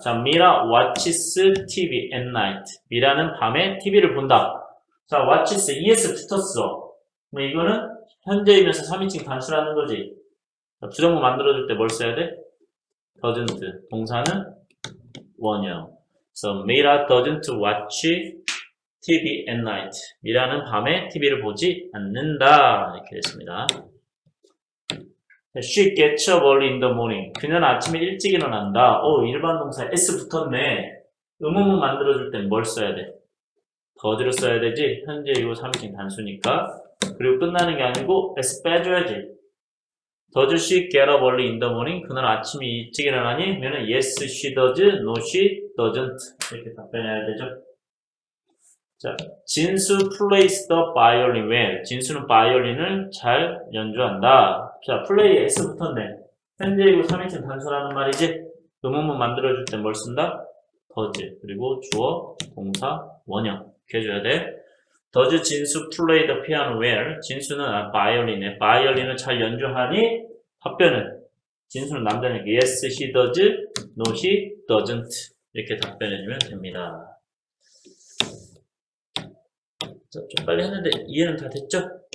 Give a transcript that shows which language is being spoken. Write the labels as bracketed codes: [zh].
[en] 자, Mira watches TV at night. [ko] Mira는 밤에 TV를 본다. 자, watches, es 붙었어. 그럼 이거는 현재이면서 3인칭 단수라는 거지. 자, 부정문 만들어줄 때뭘 써야 돼? doesn't. 동사는 원형. [en] So, Mira doesn't watch TV at night. [ko] Mira는 밤에 TV를 보지 않는다. 이렇게 됐습니다. [en] She gets up early in the morning. [ko] 그녀는 아침에 일찍 일어난다. 오, 일반 동사 S 붙었네. 의문문 만들어줄 땐뭘 써야 돼? 더즈를 써야 되지. 현재 이거 3인칭 단수니까. 그리고 끝나는 게 아니고 S 빼줘야지. [en] Does she get up early in the morning? [ko] 그날 아침이 일찍 일어나니? [en] 그러면 yes, she does. No, she doesn't. [ko] 이렇게 답변해야 되죠. [en] 자, 진수 plays the violin well. [ko] 진수는 바이올린을 잘 연주한다. 자, play s 붙었네. 현재 이거 3인칭 단수라는 말이지. 의문문 만들어줄 때뭘 쓴다? Does. 그리고 주어, 동사, 원형. 이렇게 해줘야 돼. [en] Does 진수 play the piano well? [ko] 진수는 바이올린에 바이올린을 잘 연주하니? 답변은 진수는 남자니까 [en] yes, he does. No, he doesn't. [ko] 이렇게 답변해주면 됩니다. 자, 좀 빨리 했는데 이해는 다 됐죠?